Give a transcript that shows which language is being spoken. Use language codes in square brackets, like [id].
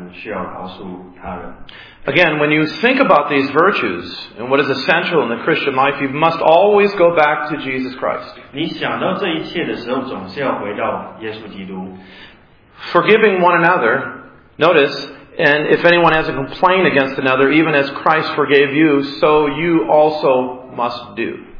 [zh] 饶恕别人是一个很难得看到的一个东西，但是神告诉我们需要饶恕他人。 [en] Again, when you think about these virtues and what is essential in the Christian life, you must always go back to Jesus Christ. [zh] 你想到这一切的时候，总是要回到耶稣基督。 [en] Forgiving one another, notice, and if anyone has a complaint against another, even as Christ forgave you, so you also must do.